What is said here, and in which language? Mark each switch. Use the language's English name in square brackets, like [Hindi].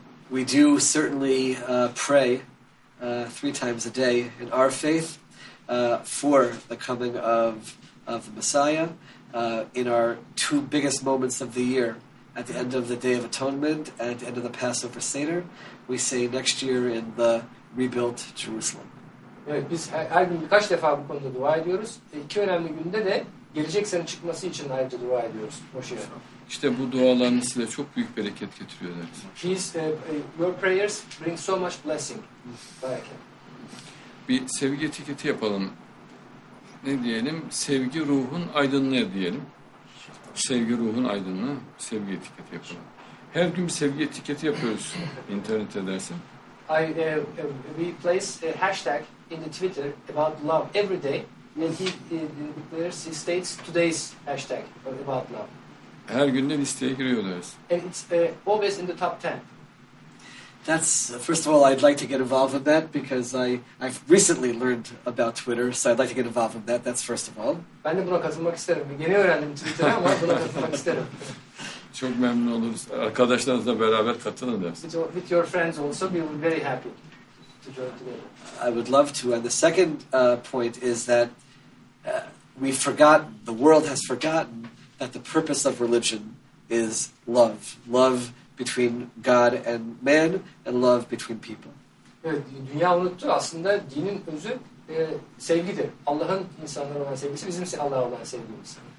[English] We do certainly pray three times a day in our faith for the coming of the Messiah. In our two biggest moments of the year, at the end of the Day of Atonement and at the end of the Passover Seder, we say next year in the rebuilt Jerusalem. [Turkish] Evet, biz her gün birkaç defa bu konuda dua ediyoruz. İki önemli günde de gelecek sene çıkması için ayrıca dua ediyoruz. Moşiyah. İşte bu dualarınız size çok büyük bereket getiriyor derdiniz. [English] Your prayers bring so much blessing. Bereket. [Turkish] bir sevgi etiketi yapalım. Ne diyelim? Sevgi ruhun aydınlığı diyelim. Sevgi ruhun aydınlığı, sevgi etiketi yapalım. Her gün bir sevgi etiketi yapıyoruz internet edersen. [English] We place a hashtag in the Twitter about love every day. And he states today's hashtag about love. [Turkish] Her günde listeye giriyoruz. [English] And it's always in the top 10. That's, first of all, I'd like to get involved with that because I've recently learned about Twitter, so I'd like to get involved with that. That's first of all. [Turkish] Ben de buna katılmak isterim. Yeni öğrendim Twitter'a ama buna katılmak isterim. Çok memnun oluruz. Arkadaşlarınızla beraber katılın dersin. [English] With your friends also, we will be very happy to join together. I would love to. And the second point is that we've forgotten, the world has forgotten that the purpose of religion is love. Love between God and man and love between people. [Turkish] Evet, dünya unuttu. Aslında dinin özü sevgidir. Allah'ın insanlara olan sevgisi bizim Allah'a olan sevgimiz.